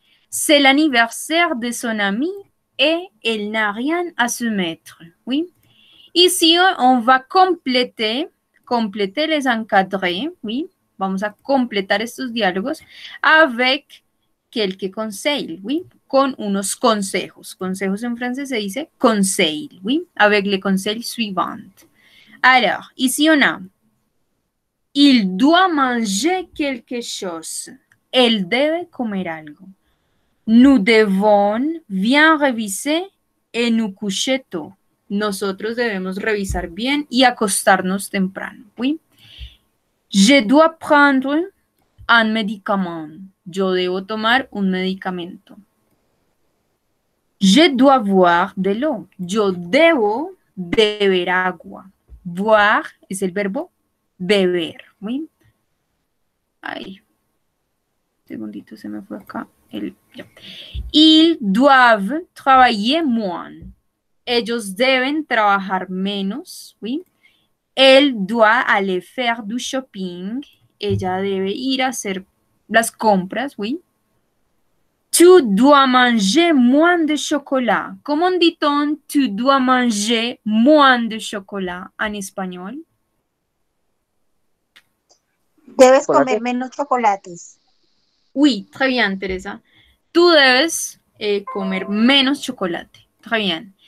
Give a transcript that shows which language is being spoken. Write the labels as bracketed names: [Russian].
[French] C'est l'anniversaire de son ami et elle n'a rien à se mettre, oui. Ici, on va compléter les encadrés, oui. [Spanish] Vamos a completar estos diálogos [French] avec quelques conseils, [Spanish] oui. Con unos consejos. Consejos en francés se dice conseil, oui. [French] Avec les conseils suivants. Alors, ici on a. Il doit manger quelque chose. Elle [Spanish] debe comer algo. [French] Nous devons bien reviser et nous coucher tôt. [Spanish] Nosotros debemos revisar bien y acostarnos temprano, oui. [French] Je dois prendre un médicament. [Spanish] Yo debo tomar un medicamento. [French] Je dois voir de l'eau. [Spanish] Yo debo beber agua. Voir es el verbo beber, oui. Ay, segundito, se me fue acá. [French] Ils doivent travailler moins. [Spanish] Ellos deben trabajar menos, oui. [French] Elle doit aller faire du shopping. [Spanish] Ella debe ir a hacer las compras, oui. [French] Tu dois manger moins de chocolat. ¿Cómo dit-on tu dois manger moins de chocolat [Spanish] en español? Debes comer menos chocolates. [French] Oui, très bien, [Spanish] Teresa. Tu debes comer menos chocolate. [French] Très bien.